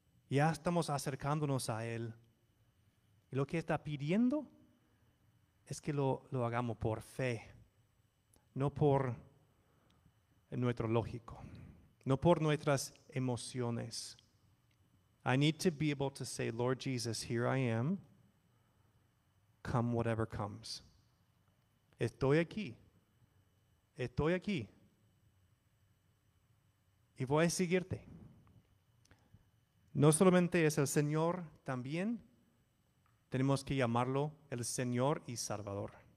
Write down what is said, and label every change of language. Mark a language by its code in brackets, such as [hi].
[es] Ya estamos acercándonos a Él. Y lo que está pidiendo es que lo hagamos por fe, no por nuestro lógico, no por nuestras emociones. [en] I need to be able to say, Lord Jesus, here I am. Come whatever comes. [es] Estoy aquí, y voy a seguirte. No solamente es el Señor, también tenemos que llamarlo el Señor y Salvador.